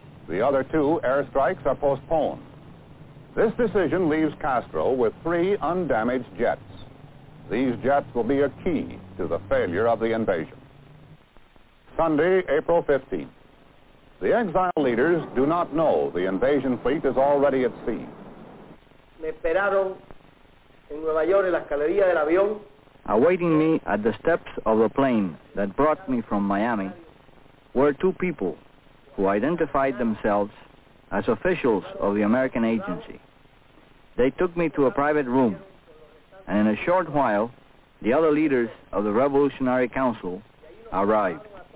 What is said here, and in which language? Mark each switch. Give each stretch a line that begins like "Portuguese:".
English: The other two airstrikes are postponed. This decision leaves Castro with three undamaged jets. These jets will be a key to the failure of the invasion. Sunday, April 15th. The exile leaders do not know the invasion fleet is already at sea.
Spanish: Me esperaron en Nueva York en la escalería del avión.
English: Awaiting me at the steps of the plane that brought me from Miami were two people who identified themselves as officials of the American agency. They took me to a private room, and in a short while, the other leaders of the Revolutionary Council arrived.